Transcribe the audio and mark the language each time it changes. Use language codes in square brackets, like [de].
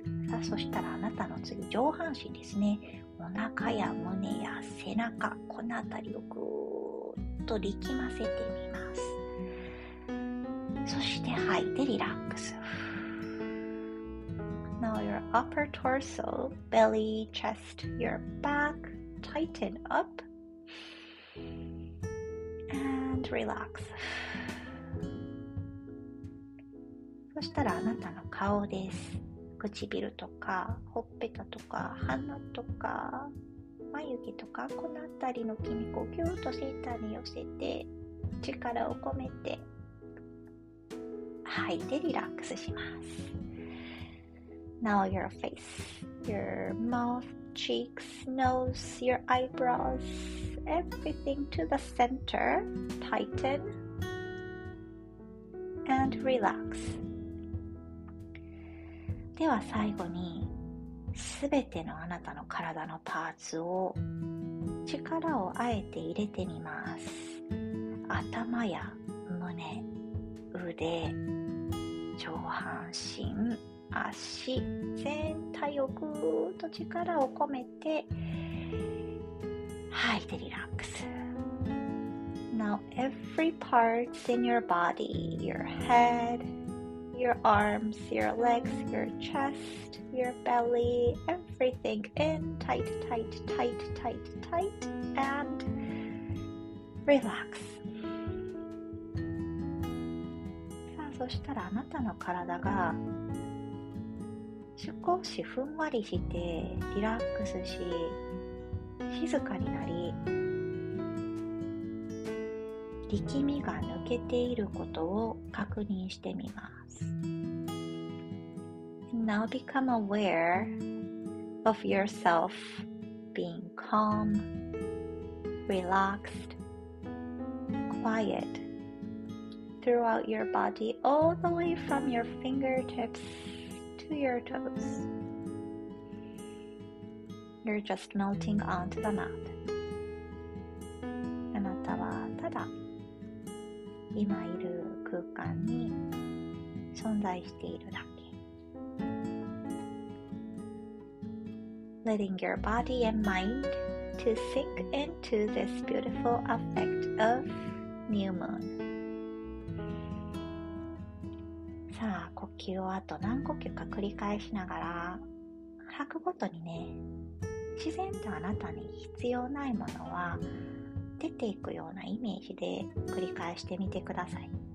[ja] さあ、そしたらあなたの次、上半身ですね。お腹や胸や背中、このあたりをぐーっと力ませてみます。そして吐いてリラックス。 [en] Now your upper torso, belly, chest, your back, tighten up. And relax. [ja] そしたらあなたの顔です。唇とかほっぺたとか鼻とか眉毛とかこのあたりの筋肉をぎゅっとセンターに寄せて力を込めて吐いてリラックスします。 [en] Now your face, your mouth, cheeks, nose, your eyebrows. Everything to the center, tighten and relax. [ja] では最後に、すべてのあなたの体のパーツを力をあえて入れてみます。頭や胸、腕、上半身、足、全体をぐーっと力を込めて。吐いてリラックス。 [en] Now every part in your body, your head, your arms, your legs, your chest, your belly, everything in tight, tight, tight, tight, tight, and relax. [ja] さあ、そしたらあなたの体が少しふんわりしてリラックスし、静かになり、力みが抜けていることを確認してみます。 [en] Now become aware of yourself being calm, relaxed, quiet throughout your body, all the way from your fingertips to your toes. You're just melting onto the mat. [ja] あなたはただ今いる空間に存在しているだけ。 [en] Letting your body and mind to sink into this beautiful effect of new moon. [ja] さあ、呼吸をあと何呼吸か繰り返しながら、吐くごとにね、自然とあなたに必要ないものは出ていくようなイメージで繰り返してみてください。